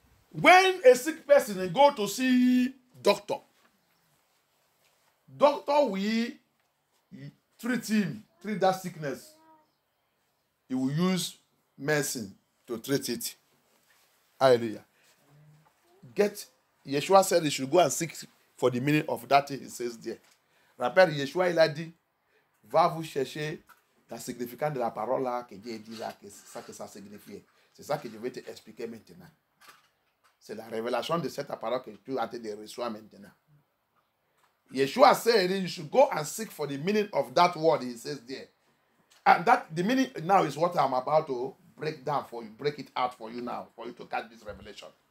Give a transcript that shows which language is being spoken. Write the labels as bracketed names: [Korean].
[English] When a sick person go to see doctor, doctor will treat him, treat that sickness. He will use medicine to treat it. Hallelujah. Yeshua said he should go and seek for the meaning of that thing he says there. [French] Rappelle, Yeshua, il a dit, va vous chercher la signification de la parole là, que Dieu dit là, que ça signifie. C'est ça que je vais te expliquer maintenant. C'est la révélation de cette parole que tu as été de recevoir maintenant. [English] Yeshua said you should go and seek for the meaning of that word he says there. And that the meaning now is what I'm about to break down for you, break it out for you now, for you to catch this revelation.